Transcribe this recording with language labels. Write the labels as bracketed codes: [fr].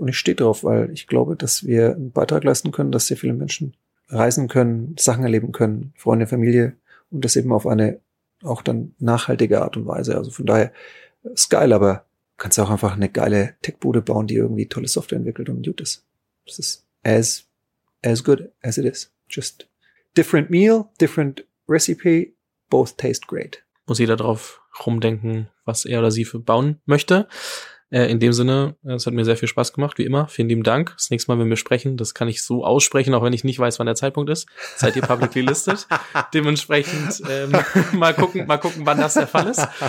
[de] Und ich stehe drauf, weil ich glaube, dass wir einen Beitrag leisten können, dass sehr viele Menschen reisen können, Sachen erleben können, Freunde, Familie und das eben auf eine auch dann nachhaltige Art und Weise. Also von daher ist geil, aber kannst du auch einfach eine geile Tech-Bude bauen, die irgendwie tolle Software entwickelt und gut ist. Das ist as [en] as good as it is. Just different meal, different recipe, both taste great. [de] Muss jeder drauf rumdenken, was er oder sie für bauen möchte. In dem Sinne, es hat mir sehr viel Spaß gemacht, wie immer. Vielen lieben Dank. Das nächste Mal, wenn wir sprechen, das kann ich so aussprechen, auch wenn ich nicht weiß, wann der Zeitpunkt ist. Seid ihr [en] publicly listed? [de] Dementsprechend mal gucken, wann das der Fall ist.